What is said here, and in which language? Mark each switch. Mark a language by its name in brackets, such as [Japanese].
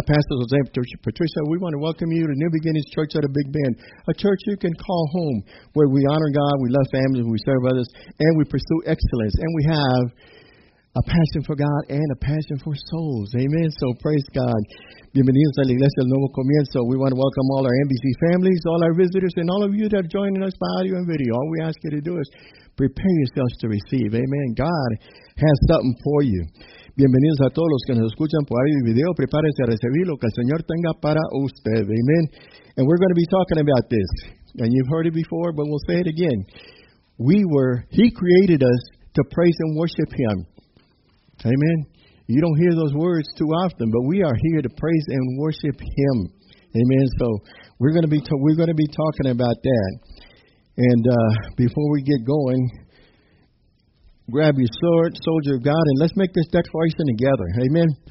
[English] Pastor Jose Patricia, we want to welcome you to New Beginnings Church at a Big Bend, a church you can call home, where we honor God, we love families, we serve others, and we pursue excellence. And we have a passion for God and a passion for souls. Amen. So praise God. [Spanish] Bienvenidos a la Iglesia del Nuevo Comienzo. [English] We want to welcome all our NBC families, all our visitors, and all of you that are joining us by audio and video. All we ask you to do is prepare yourselves to receive. Amen. God has something for you. [Spanish] Bienvenidos a todos los que nos escuchan por audio y video. Prepárense a recibir lo que el Señor tenga para usted. [English] Amen. And we're going to be talking about this. And you've heard it before, but we'll say it again. He created us to praise and worship Him. Amen. You don't hear those words too often, but we are here to praise and worship Him. Amen. So we're going to be talking about that. And before we get going, grab your sword, soldier of God, and let's make this declaration together. Amen.